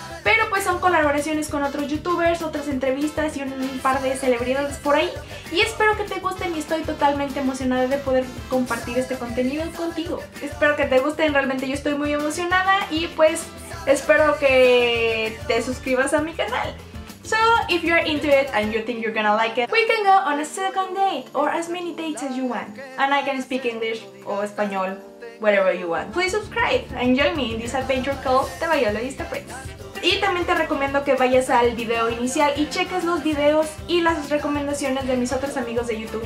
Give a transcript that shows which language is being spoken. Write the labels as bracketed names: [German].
[Spanish] Pero pues son colaboraciones con otros youtubers, otras entrevistas y un par de celebridades por ahí. Y espero que te gusten y estoy totalmente emocionada de poder compartir este contenido contigo. Espero que te gusten, realmente yo estoy muy emocionada y pues espero que te suscribas a mi canal. [English] So, if you're into it and you think you're gonna like it, we can go on a second date or as many dates as you want. And I can speak English [Spanish] o español, [English] whatever you want. Please subscribe and join me in this adventure called The Violet Apprentice. [Spanish] Y también te recomiendo que vayas al video inicial y cheques los videos y las recomendaciones de mis otros amigos de YouTube.